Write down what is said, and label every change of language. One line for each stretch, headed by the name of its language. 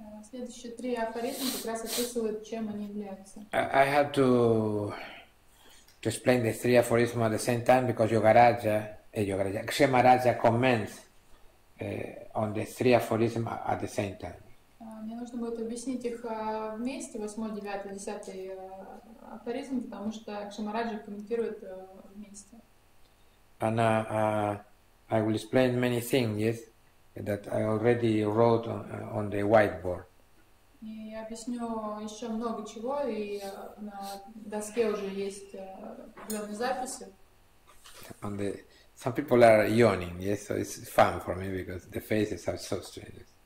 Russian: Следующие три афоризма как раз описывают, чем они являются.
English: I had to explain the three aphorisms at the same time because Kṣemarāja comments on the three aphorisms at the same time.
Russian: Мне нужно будет объяснить их вместе, восьмой, девятый, десятый афоризм, потому что Кṣemarāja комментирует вместе.
English: And I will explain many things, yes, that I already wrote on the whiteboard.
Russian: И я объясню еще много чего, и на доске уже есть определенные записи.
English: Some people are yawning, yes, so it's fun for me because the faces are so strange.